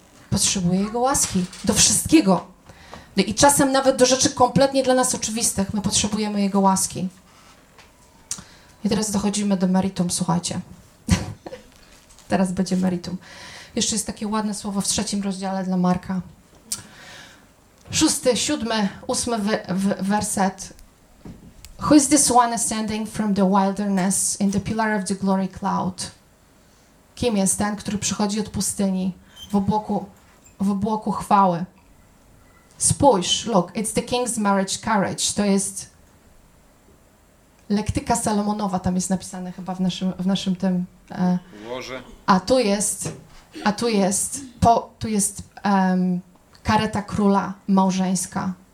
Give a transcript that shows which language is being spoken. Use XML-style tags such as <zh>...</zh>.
<pl>Potrzebuję Jego łaski do wszystkiego. I czasem nawet do rzeczy kompletnie dla nas oczywistych. My potrzebujemy Jego łaski. I teraz dochodzimy do meritum, słuchajcie. Teraz będzie meritum. Jeszcze jest takie ładne słowo w trzecim rozdziale dla Marka. 6, 7, 8 werset.</pl> <en>Who is this one ascending from the wilderness in the pillar of the glory cloud?</en> <pl>Kim jest ten, który przychodzi od pustyni w obłoku chwały? Spójrz,</pl> <en>look, it's the king's marriage carriage.</en> <pl>To jest lektyka Salomonowa, tam jest napisane chyba w naszym tym... Łoże. A tu jest kareta króla małżeńska.</pl>